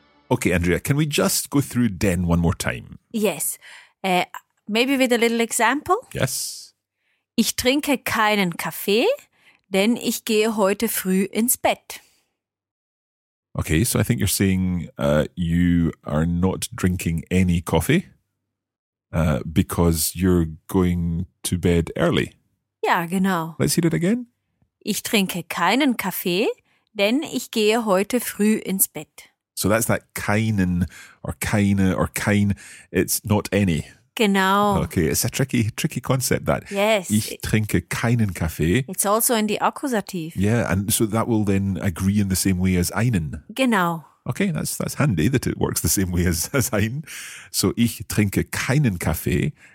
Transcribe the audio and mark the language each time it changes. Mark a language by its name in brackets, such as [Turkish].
[English] Okay, Andrea, can we just go through denn one more time? Yes. Maybe with a little example? Yes. [German] Ich trinke keinen Kaffee, denn ich gehe heute früh ins Bett. [English] Okay, so I think you're saying you are not drinking any coffee because you're going to bed early. [German] Ja, genau. [English] Let's hear it again. [German] Ich trinke keinen Kaffee, denn ich gehe heute früh ins Bett. [English] So that's that keinen or keine or kein. It's not any. [German] Genau. [English] Okay, it's a tricky concept that. Yes. [German] Ich trinke keinen Kaffee. [English] It's also in the accusative. Yeah, and so that will then agree in the same way as einen. [German] Genau. [English] Okay, that's handy that it works the same way as ein. [German] So ich trinke keinen Kaffee.